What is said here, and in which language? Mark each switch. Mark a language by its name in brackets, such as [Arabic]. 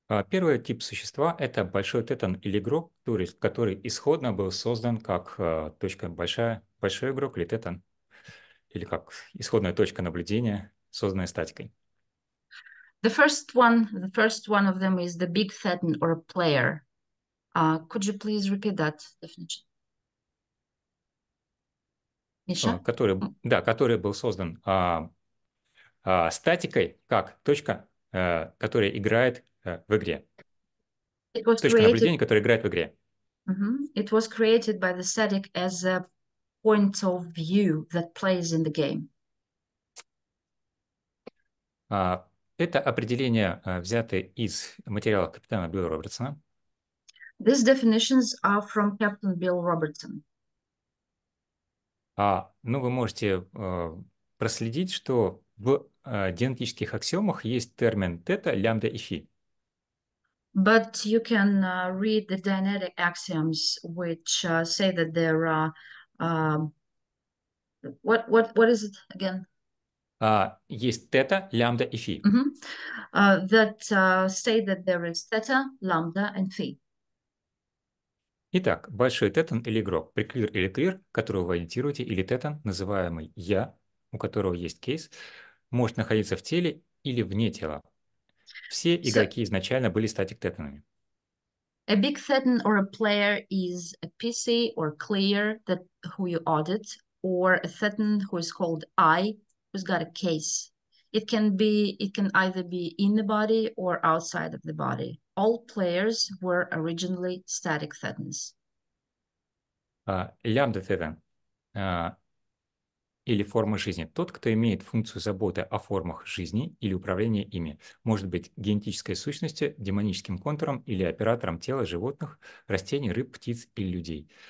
[Russian] Первый тип существа – это большой тетан или игрок, который исходно был создан как точка большая, большой игрок или тетан, или как исходная точка наблюдения, созданная статикой. [English] The first one of them is the big tetan or a player. Could you please repeat that definition? [Russian] Миша? Который был создан статикой как точка, которая играет в игре. [English] It was [Russian] Точка [English] created... [Russian] наблюдения, которая играет в игре. Mm-hmm. [English] It was created by the static as a point of view that plays in the game. [Russian] Это определение взято из материалов капитана Билла Робертсона. [English] These definitions are from Captain Bill Robertson. [Russian] Вы можете проследить, что в динамических аксиомах есть термин тета, лямбда и фи. [English] But you can read the dynamic axioms, which say that there are what is it again? [Russian] Есть тета, лямбда и фи. Mm-hmm. [English] That state that there is theta, lambda, and phi. [Russian] Итак, большой тетан или игрок, преклир или клир, которого вы ориентируете, или тетан, называемый я, у которого есть кейс, может находиться в теле или вне тела. Все игроки изначально были статик тетанами. [English] A big tetan or a player is a PC or clear that who you audit, or a tetan who is called I, who's got a case. It can either be in the body or outside of the body. All players were originally static thetans. [Russian] Лямбда тетан или форма жизни. Тот, кто имеет функцию заботы о формах жизни или управления ими, может быть генетической сущностью, демоническим контуром или оператором тела животных, растений, рыб, птиц или людей.